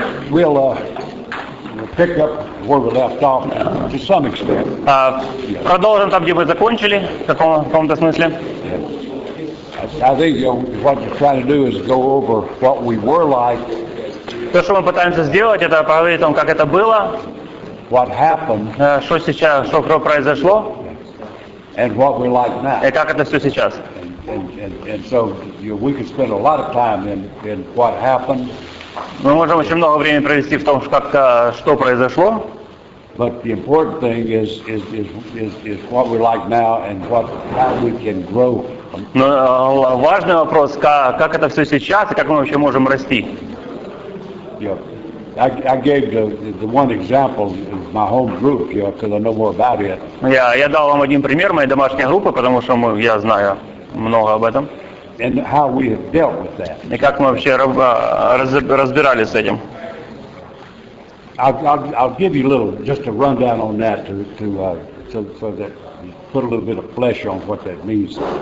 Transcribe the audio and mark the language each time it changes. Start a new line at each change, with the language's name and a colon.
English: We'll pick up where we left off to some extent.
Russian: Продолжим там, где мы закончили, в каком-то смысле.
English: I think what we're trying to do is go over what we were like.
Russian: То, что мы пытаемся сделать, это поговорить о том, как это было.
English: What happened?
Russian: Что сейчас, что произошло?
English: And what we're like now.
Russian: И как это все сейчас?
English: And so we could spend a lot of time in what happened.
Russian: Мы можем очень много времени провести в том, что произошло.
English: But the important thing is what we're like now and how we can grow.
Russian: Но важный вопрос, как это все сейчас и как мы вообще можем расти.
English: I gave the one example of my home group, because I know more about it.
Russian: Я дал вам один пример моей домашней группы, потому что я знаю много об этом.
English: And how we have dealt with that.
Russian: И как мы вообще разбирались с этим.
English: I'll give you a little, just a rundown on that so that you put a little bit of flesh on what that means.